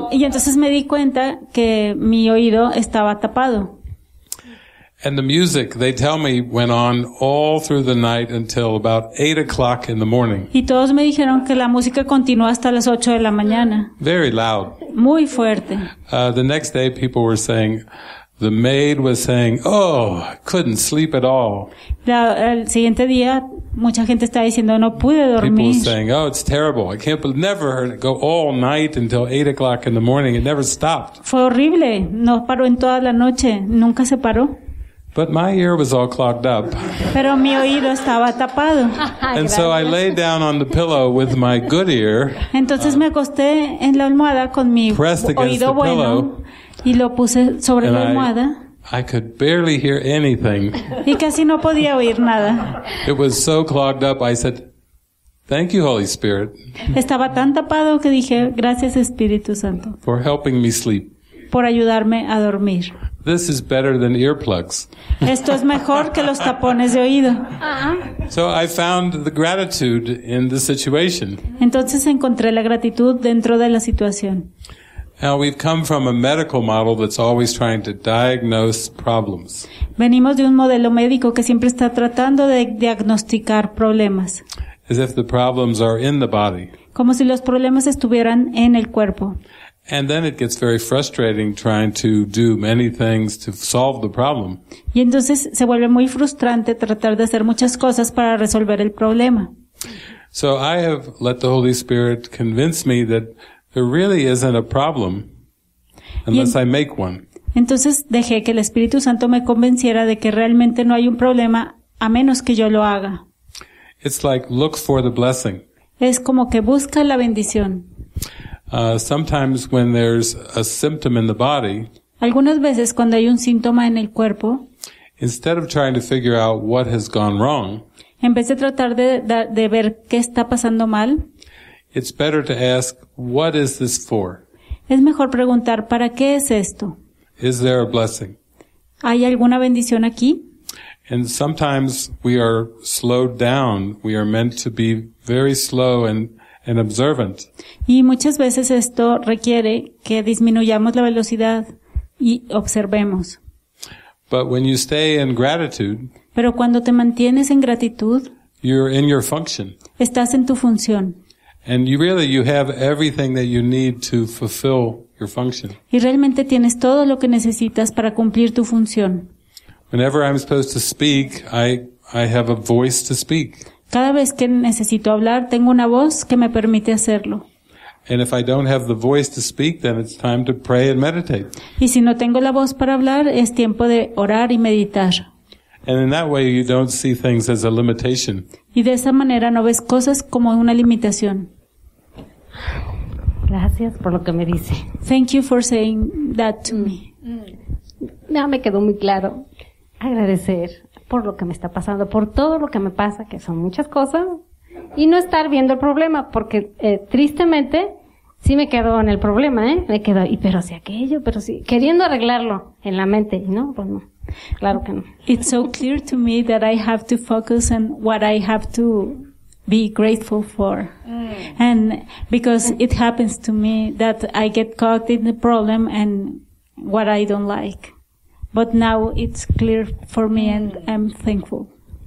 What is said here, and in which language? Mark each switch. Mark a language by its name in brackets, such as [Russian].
[Spanish] Y entonces me di cuenta que mi oído estaba tapado. [English] And the music, they tell me, went on all through the night until about 8 o'clock in the morning. [Spanish] Y todos me dijeron que la música continuó hasta las 8 de la mañana. [English] Very loud. [Spanish] Muy fuerte. [English] The next day, people were saying, the maid was saying, "Oh, couldn't sleep at all." [Spanish] El siguiente día. Mucha gente está diciendo no pude dormir. [English] People saying, "Oh, it's terrible. I can't believe never heard it go all night until 8 o'clock in the morning. It never stopped." [Spanish] Fue horrible. No paró en toda la noche. Nunca se paró. [English] But my ear was all clogged up. [Spanish] Pero mi oído estaba tapado. [English] And so I lay down on the pillow with my good ear. [Spanish] Entonces me acosté en la almohada con mi oído bueno y lo puse sobre la almohada. [English] I could barely hear anything. [Spanish] Y casi no podía oír nada. [English] It was so clogged up, I said, "Thank you, Holy Spirit." [Spanish] Estaba tan tapado que dije, "Gracias, Espíritu Santo." [English] For helping me sleep. [Spanish] Por ayudarme a dormir. [English] This is better than earplugs. [Spanish] Esto es mejor que los tapones de oído. [English] So I found the gratitude in the situation. [Spanish] Entonces encontré la gratitud dentro de la situación. [English] Now we've come from a medical model that's always trying to diagnose problems. [Spanish] Venimos de un modelo médico que siempre está tratando de diagnosticar problemas. [English] As if the problems are in the body. [Spanish] Como si los problemas estuvieran en el cuerpo. [English] And then it gets very frustrating trying to do many things to solve the problem. [Spanish] Y entonces se vuelve muy frustrante tratar de hacer muchas cosas para resolver el problema. [English] So I have let the Holy Spirit convince me that there really isn't a problem unless I make one. [Spanish] Entonces dejé que el Espíritu Santo me convenciera de que realmente no hay un problema a menos que yo lo haga. [English] It's like look for the blessing. [Spanish] Es como que busca la bendición. [English] Sometimes when there's a symptom in the body, [Spanish] algunas veces cuando hay un síntoma en el cuerpo, [English] instead of trying to figure out what has gone wrong, [Spanish] en vez de tratar de ver qué está pasando mal, [English] it's better to ask, "What is this for?" [Spanish] Es mejor preguntar, ¿para qué es esto? [English] Is there a blessing? [Spanish] ¿Hay alguna bendición aquí? [English] And sometimes we are slowed down. We are meant to be very slow and observant. [Spanish] Y muchas veces esto requiere que disminuyamos la velocidad y observemos. [English] But when you stay in gratitude, [Spanish] pero cuando te mantienes en gratitud, [English] you're in your function. [Spanish] Estás en tu función. [English] And you have everything that you need to fulfill your function. [Spanish] Y realmente tienes todo lo que necesitas para cumplir tu función. [English] Whenever I'm supposed to speak, I have a voice to speak. [Spanish] Cada vez que necesito hablar, tengo una voz que me permite hacerlo. [English] And if I don't have the voice to speak, then it's time to pray and meditate. [Spanish] Y si no tengo la voz para hablar, es tiempo de orar y meditar. [English] And in that way, you don't see things as a limitation. [Spanish] Y de esa manera no ves cosas como una limitación. Gracias por lo que me dice. [English] Thank you for saying that to me. [Spanish] No, me quedó muy claro. Agradecer por lo que me está pasando, por todo lo que me pasa, que son muchas cosas, y no estar viendo el problema, porque tristemente sí me quedo en el problema, ¿eh? Me quedo, y pero si aquello, pero si, queriendo arreglarlo en la mente, ¿no? Pues no, claro que no. [English] It's so clear to me that I have to focus on what I have to be grateful for. And because it happens to me that I get caught in the problem and what I don't like. But now it's clear for me and I'm thankful.